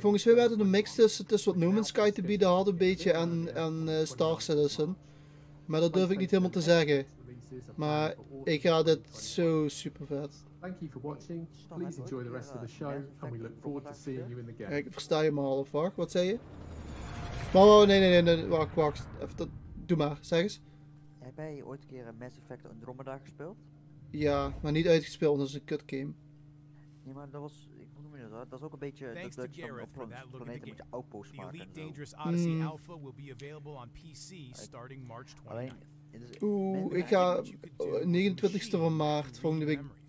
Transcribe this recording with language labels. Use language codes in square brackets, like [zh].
[nl] Volgens mij werd het een mix tussen wat No Man's Sky te bieden had, een beetje, en Star Citizen. Maar dat durf ik niet helemaal te zeggen. Maar ik ga dit zo super vet. [en] Thank you for watching. Please enjoy the rest of the show, and we look forward to seeing you in the game. [nl] Ik versta je maar half, wacht. Wat zei je? Nee. Wacht. Even dat. Doe maar. Zeg eens. Heb jij ooit een keer Mass Effect Andromeda gespeeld? Ja, maar niet uitgespeeld, want dat is een kut game. Nee, maar dat was. Ik noem het dat. Dat is ook een beetje. [en] Thanks to Gareth for that look at the game. The Elite Dangerous Odyssey Alpha will be available on PC starting March 29th. [nl] Oeh, ik ga 29e van maart volgende week.